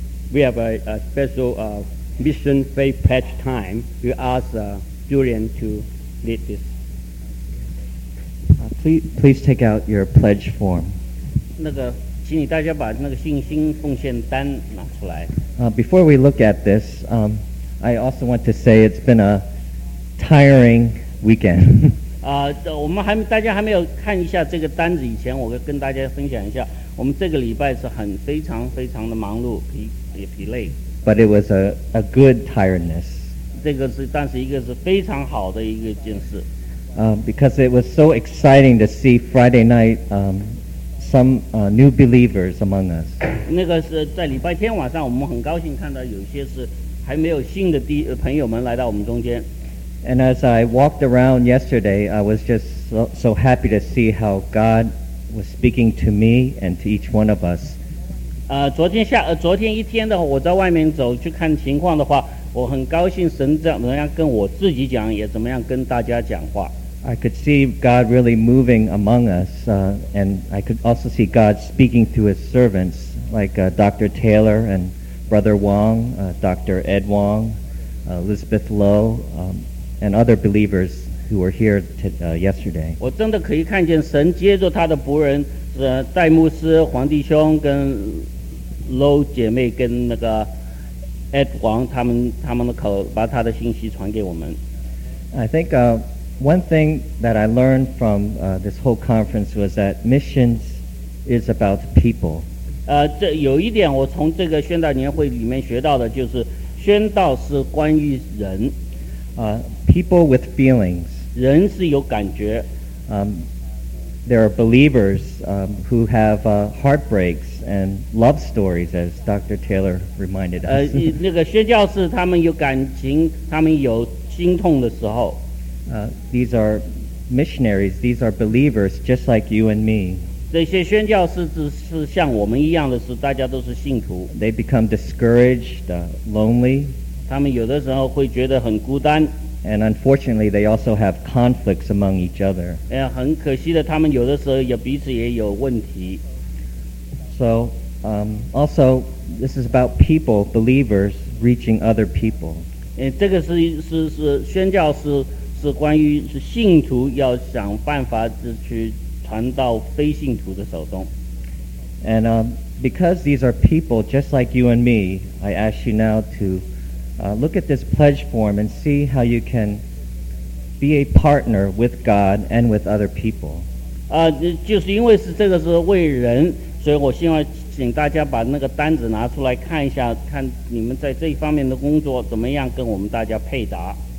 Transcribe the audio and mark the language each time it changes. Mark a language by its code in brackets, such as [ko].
[en] We have a specialMission Faith Patch Time. We ask Julian to lead this. Please take out your pledge form. [zh] 那个，请你大家把那个信心奉献单拿出来。 [en] Before we look at this, I also want to say it's been a tiring weekend. [zh] 我们还大家还没有看一下这个单子以前，我跟大家分享一下，我们这个礼拜是很非常非常的忙碌，疲累。 [en] But it was a good tiredness. [zh] 这个是，但是一个是非常好的一个件事。 [en] Because it was so exciting to see Friday night some new believers among us. [zh] 那个是在礼拜天晚上，我们很高兴看到有些是还没有信的朋友们来到我们中间。 [en] And as I walked around yesterday, I was just so happy to see how God was speaking to me and to each one of us. [zh] 昨天一天的话，我在外面走去看情况的话，我很高兴神怎么样跟我自己讲，也怎么样跟大家讲话。 [en] I could see God really moving among us, and I could also see God speaking through His servants, like Dr. Taylor and Brother Wong, Dr. Ed Wong, Elizabeth Low, and other believers who were here yesterday. [zh] 我真的可以看见神接着他的仆人。戴牧师、黄弟兄跟 Low 姐妹跟那个 Ed 王他们的口把他的信息传给我们。 [en] I think one thing that I learned from this whole conference was that missions is about people. [zh] 这有一点我从这个宣道年会里面学到的，就是宣道是关于人。 [en] People with feelings. [zh] 人是有感觉。 [en] There are believers who have heartbreaks and love stories, as Dr. Taylor reminded us. [zh] 那个宣教士他们有感情，他们有心痛的时候。 [en] These are missionaries. These are believers, just like you and me. [zh] 这些宣教士只是像我们一样的是，大家都是信徒。 [en] They become discouraged, lonely. [zh] 他们有的时候会觉得很孤单。 [en] And unfortunately, they also have conflicts among each other. [zh] 很可惜的，他们有的时候也彼此也有问题。 [en] So, also, this is about people, believers, reaching other people. [zh] 这个是宣教士是关于是信徒要想办法去传到非信徒的手中。 [en] And because these are people just like you and me, I ask you now to look at this pledge form and see how you can be a partner with God and with other people. [zh] 就是因为是这个是为人，所以我希望请大家把那个单子拿出来看一下，看你们在这一方面的工作怎么样跟我们大家配搭。